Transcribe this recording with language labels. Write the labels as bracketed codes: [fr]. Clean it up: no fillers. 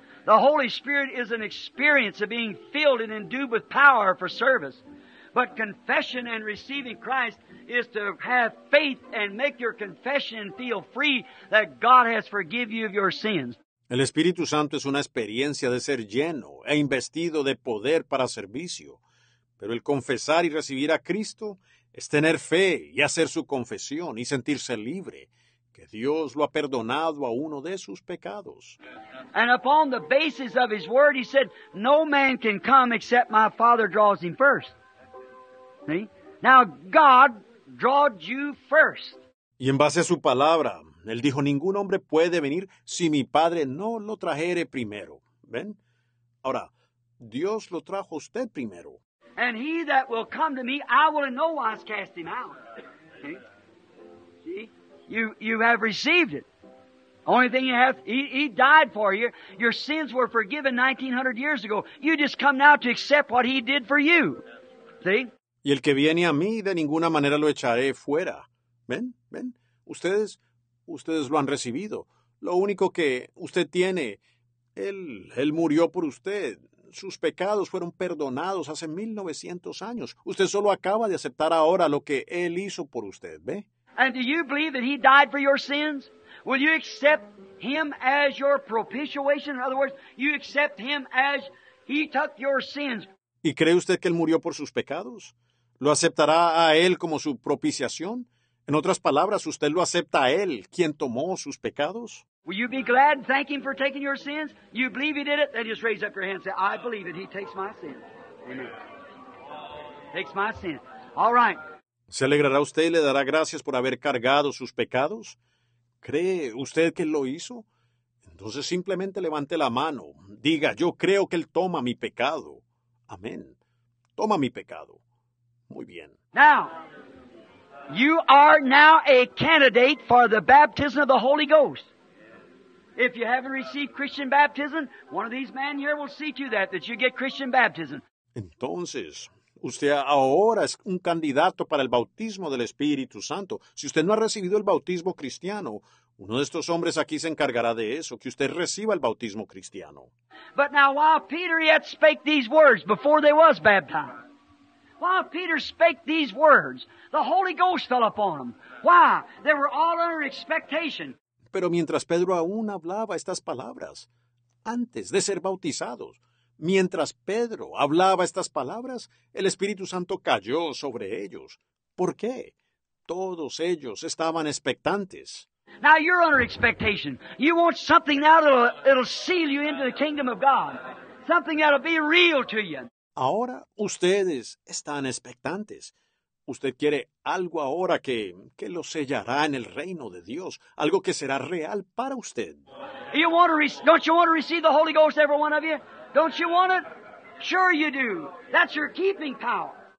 [en] The Holy Spirit is an experience of being filled and endued with power for service. But confession and receiving Christ is to have faith and make your confession and feel free that God has forgiven you of your sins. [es] El Espíritu Santo es una experiencia de ser lleno e investido de poder para servicio. Pero el confesar y recibir a Cristo es tener fe y hacer su confesión y sentirse libre, que Dios lo ha perdonado a uno de sus pecados. [en] And upon the basis of his word, he said, no man can come except my Father draws him first. Now God drawed you first. [es] Y en base a su palabra, él dijo, ningún hombre puede venir si mi Padre no lo trajere primero. ¿Ven? Ahora, Dios lo trajo usted primero. [en] And he that will come to me, I will in no wise cast him out. See? You have received it. Only thing you have, he died for you. Your sins were forgiven 1900 years ago. You just come now to accept what he did for you. See? [es] Y el que viene a mí, de ninguna manera lo echaré fuera. ¿Ven? ¿Ven? Ustedes lo han recibido. Lo único que usted tiene, él murió por usted. Sus pecados fueron perdonados hace 1900 años. Usted solo acaba de aceptar ahora lo que él hizo por usted. ¿Ve? [en] And do you believe that he died for your sins? Will you accept him as your propitiation? In other words, you accept him as he took your sins. [es] ¿Y cree usted que él murió por sus pecados? ¿Lo aceptará a él como su propiciación? En otras palabras, ¿usted lo acepta a él, quien tomó sus pecados? [en] Will you be glad and thank him for taking your sins? You believe he did it? Then just raise up your hand and say, I believe it. He takes my sins. Amen. Takes my sins. All right. [es] ¿Se alegrará usted y le dará gracias por haber cargado sus pecados? ¿Cree usted que lo hizo? Entonces simplemente levante la mano. Diga, yo creo que él toma mi pecado. Amén. Toma mi pecado. Muy bien. [en] Now, you are now a candidate for the baptism of the Holy Ghost. If you haven't received Christian baptism, one of these men here will see to that you get Christian baptism. [es] Entonces, usted ahora es un candidato para el bautismo del Espíritu Santo. Si usted no ha recibido el bautismo cristiano, uno de estos hombres aquí se encargará de eso, que usted reciba el bautismo cristiano. [en] But now, while Peter yet spake these words before they was baptized, While Peter spake these words, the Holy Ghost fell upon them. Why? They were all under expectation. [es] Pero mientras Pedro aún hablaba estas palabras, antes de ser bautizados, mientras Pedro hablaba estas palabras, el Espíritu Santo cayó sobre ellos. ¿Por qué? Todos ellos estaban expectantes. [en] Now you're under expectation. You want something now that'll seal you into the kingdom of God. Something that'll be real to you. [es] Ahora ustedes están expectantes. Usted quiere algo ahora que lo sellará en el reino de Dios, algo que será real para usted. [en] Don't you want to receive the Holy Ghost, every one of you? Don't you want it? Sure you do. That's your keeping power.